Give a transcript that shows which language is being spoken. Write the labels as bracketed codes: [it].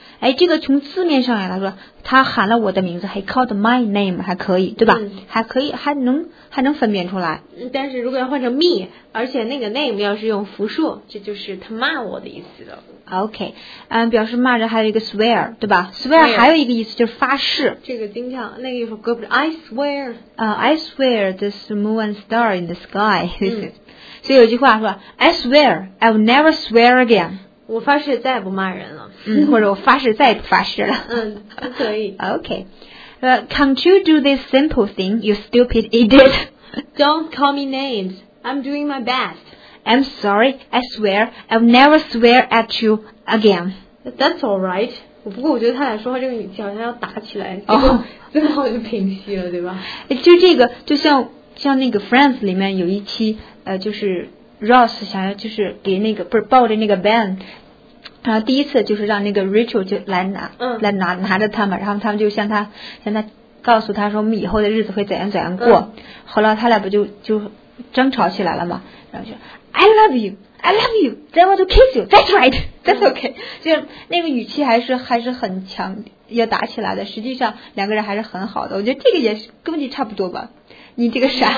[zh] 哎，这个从字面上来说他喊了我的名字 [en] he called my name [zh] 还可以，对吧？还可以，还能分辨出来，但是如果要换成 me， 而且那个 name 要是用复数，这就是他骂我的意思了。 OK， 表示骂人还有一个 swear， 对吧？ [en] swear [zh] 还有一个意思就是发誓，这个经常那个有首歌不是 [en] I swear、 I swear this moon and star in the sky、嗯、 [zh] 所以有句话说 [en] I swear I will never swear again， [zh] 我发誓再也不骂人了，嗯，或者我发誓再也不发誓了，嗯，可以。 [en] OK， can't you do this simple thing, you stupid idiot? Don't call me names. I'm doing my best. I'm sorry. I swear, I'll never swear at you again. That's all right. [zh] 不过我觉得他俩说话这个语气好像要打起来，结果最后就平息了，对吧？就这个，就像那个 Friends 里面有一期，就是。 Ross 想要就是给那个不是抱着那个 Ben， 然后第一次就是让那个 Rachel 就来拿着他嘛，然后他们就向他告诉他说我们以后的日子会怎样过，后来他俩不就争吵起来了嘛，然后就 [en] I love you then I want to kiss you that's right that's okay、 [zh] 就是那个语气还是很强要打起来的，实际上两个人还是很好的，我觉得这个也是根本就差不多吧。你这个傻、